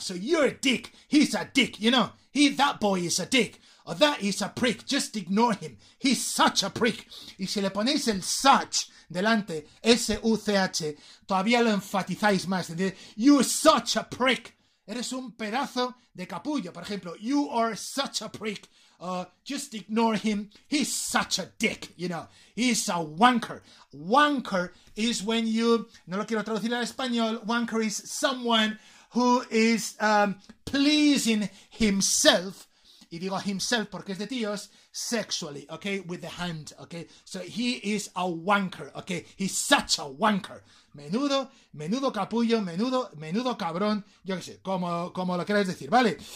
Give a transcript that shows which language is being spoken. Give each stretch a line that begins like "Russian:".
English: So you're a dick, he's a dick, you know. He, that boy is a dick. Or that is a prick, just ignore him. He's such a prick.
Spanish: Y si le ponéis el such delante, S-U-C-H, todavía lo enfatizáis más. Entonces,
English: you're such a prick.
Spanish: Eres un pedazo de capullo. Por ejemplo,
English: you are such a prick. Just ignore him, he's such a dick, you know, he's a wanker. Wanker is when you,
Spanish: no lo quiero traducir al español,
English: wanker is someone who is pleasing himself,
Spanish: y digo
English: himself
Spanish: porque es de tíos,
English: sexually, okay, with the hand, okay, so he is a wanker, okay, he's such a wanker.
Spanish: Menudo, menudo capullo, menudo, menudo cabrón, yo qué sé, como lo queráis decir, ¿vale?